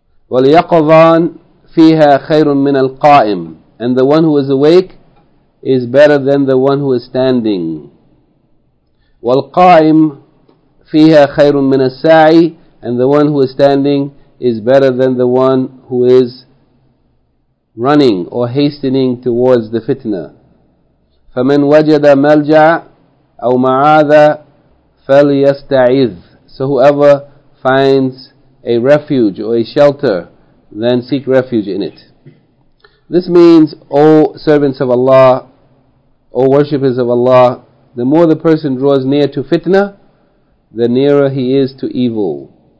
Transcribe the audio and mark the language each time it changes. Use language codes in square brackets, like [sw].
[ar] وَالْيَقْضَانِ فيها خير من القائم. [en] And the one who is awake is better than the one who is standing. [ar] والقائم فيها خير من الساعي. [en] And the one who is standing is better than the one who is running or hastening towards the fitna. [ar] فمن وجد ملجا أو معاذا فليستعذ. [en] So whoever finds a refuge or a shelter, then seek refuge in it. This means, O servants of Allah, O worshippers of Allah, the more the person draws near to fitna, the nearer he is to evil.